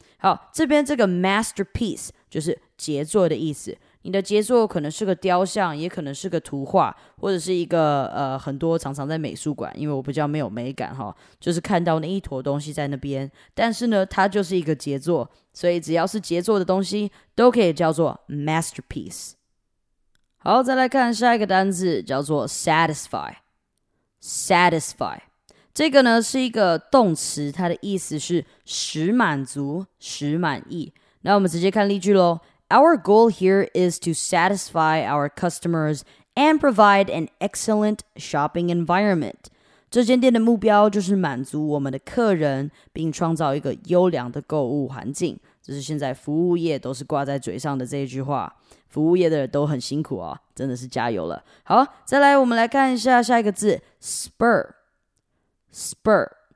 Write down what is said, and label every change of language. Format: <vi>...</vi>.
<zh>好，这边这个 masterpiece 就是杰作的意思，你的杰作可能是个雕像，也可能是个图画，或者是一个很多常常在美术馆，因为我比较没有美感哈，就是看到那一坨东西在那边，但是呢它就是一个杰作，所以只要是杰作的东西都可以叫做 masterpiece。好，再来看下一个单字叫做 satisfy， satisfy。这个呢是一个动词，它的意思是使满足使满意。那我们直接看例句咯。</zh> <en>Our goal here is to satisfy our customers and provide an excellent shopping environment.</en> <zh>这间店的目标就是满足我们的客人，并创造一个优良的购物环境。这是现在服务业都是挂在嘴上的这一句话。服务业的人都很辛苦哦，真的是加油了。好，再来我们来看一下下一个字 spur， spur。</zh>